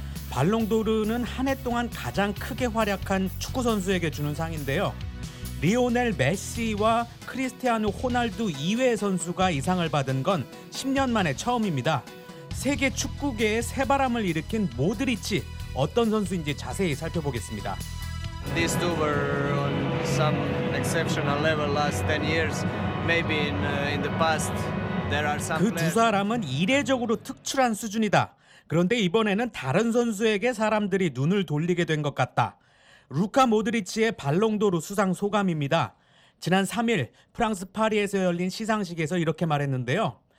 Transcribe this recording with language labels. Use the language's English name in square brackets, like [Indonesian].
[Korean] 발롱도르는 한 해 동안 가장 크게 활약한 축구 선수에게 주는 상인데요. 리오넬 메시와 크리스티아누 호날두 이외의 선수가 이 상을 받은 건 10년 만에 처음입니다. 세계 축구계의 새바람을 일으킨 모드리치 어떤 선수인지 자세히 살펴보겠습니다. [English] These two were on some exceptional level last 10 years. Maybe in the past there are some. [Korean] 그 두 사람은 이례적으로 특출한 수준이다. 그런데 이번에는 다른 선수에게 사람들이 눈을 돌리게 된 것 같다. 루카 모드리치의 발롱도르 수상 소감입니다. 지난 3일 프랑스 파리에서 열린 시상식에서 이렇게 말했는데요.